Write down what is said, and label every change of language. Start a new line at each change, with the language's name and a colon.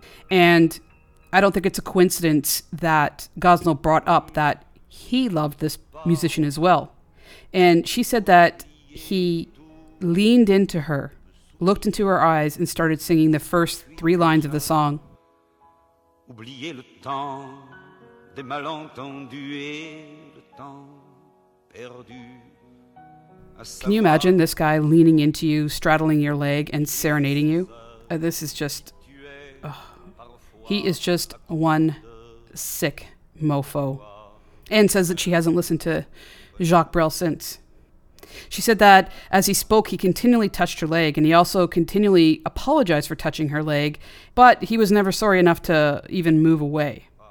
English: And I don't think it's a coincidence that Gosnell brought up that he loved this musician as well. And she said that he leaned into her, looked into her eyes, and started singing the first three lines of the song.
French: Oubliez le temps des malentendus et le temps perdu.
English: Can you imagine this guy leaning into you, straddling your leg, and serenading you? This is just... he is just one sick mofo. Anne says that she hasn't listened to Jacques Brel since. She said that as he spoke, he continually touched her leg, and he also continually apologized for touching her leg, but he was never sorry enough to even move away.